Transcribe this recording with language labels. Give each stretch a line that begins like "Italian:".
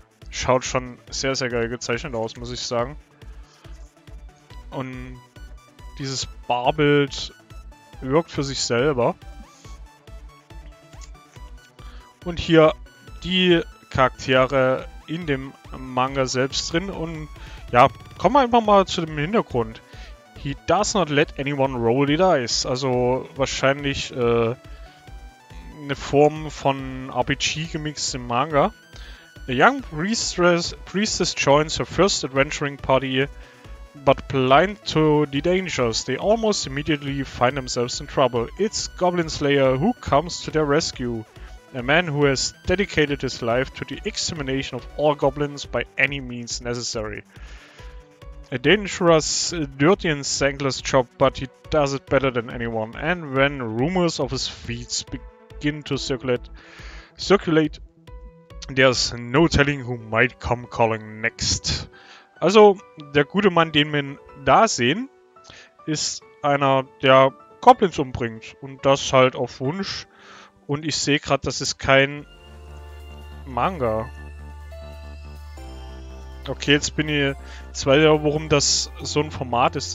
German: Schaut schon sehr, sehr geil gezeichnet aus, muss ich sagen. Und dieses Barbild wirkt für sich selber. Und hier die Charaktere in dem Manga selbst drin. Und ja, kommen wir einfach mal zu dem Hintergrund.
English: He does not let anyone roll the dice.
German: Also wahrscheinlich eine Form von RPG-gemixtem Manga.
English: A young priestess joins her first adventuring party, but blind to the dangers. They almost immediately find themselves in trouble. It's Goblin Slayer who comes to their rescue. A man who has dedicated his life to the extermination of all goblins by any means necessary. A dangerous, dirty and thankless job, but he does it better than anyone. And when rumors of his feats begin to circulate, there's no telling who might come calling next.
German: Also, der gute Mann, den wir da sehen, ist einer, der Goblins umbringt. Und das halt auf Wunsch. Und ich sehe gerade, das ist kein Manga. Okay, jetzt bin ich zweifel, warum das so ein Format ist.